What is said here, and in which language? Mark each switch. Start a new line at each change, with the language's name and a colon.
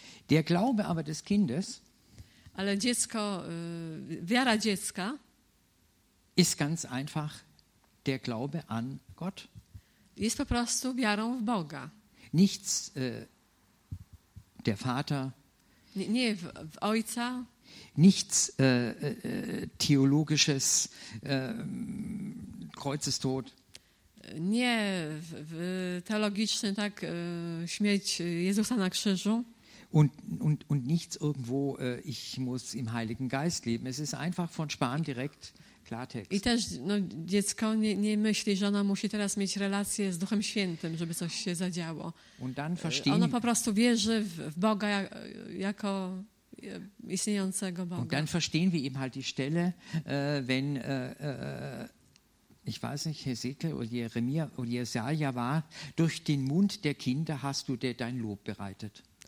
German: Der Glaube aber des Kindes,
Polish: ale dziecko, wiara dziecka,
German: ist ganz einfach der Glaube an Gott.
Polish: Jest po prostu wiarą w Boga.
German: Nichts der Vater.
Polish: Nie w Ojca.
German: Nichts theologisches Kreuzestod.
Polish: Nie w theologiczny, tak, śmierć Jezusa na krzyżu.
German: Und nichts irgendwo, ich muss im Heiligen Geist leben. Es ist einfach von Spahn direkt Klartext.
Polish: I też no, dziecko nie myśli, że ona musi teraz mieć relację z Duchem Świętym, żeby coś się zadziało.
German: Und dann verstehen,
Polish: ono po prostu wierzy w Boga jako istniejącego Boga.
German: Und dann verstehen wir eben halt die Stelle, wenn, ich weiß nicht, Hesekiel oder Jeremia oder Jesaja war, durch den Mund der Kinder hast du dir dein Lob bereitet.